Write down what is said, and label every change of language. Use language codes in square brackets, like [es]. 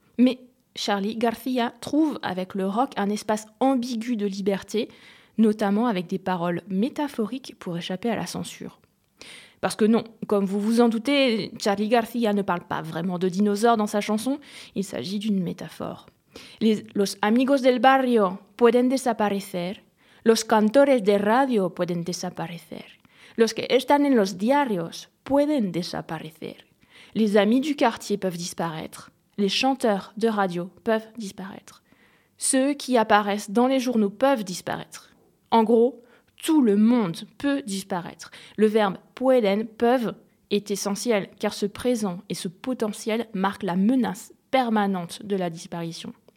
[fr] Mais Charly García trouve avec le rock un espace ambigu de liberté, notamment avec des paroles métaphoriques pour échapper à la censure. Parce que non, comme vous vous en doutez, Charly García ne parle pas vraiment de dinosaures dans sa chanson, il s'agit d'une métaphore. [es] Los amigos del barrio pueden desaparecer, los cantores de radio pueden desaparecer, los que están en los diarios pueden desaparecer. [fr] Les amis du quartier peuvent disparaître, les chanteurs de radio peuvent disparaître, ceux qui apparaissent dans les journaux peuvent disparaître. En gros, tout le monde peut disparaître. Le verbe « pueden » peuvent est essentiel, car ce présent et ce potentiel marquent la menace permanente de la disparition.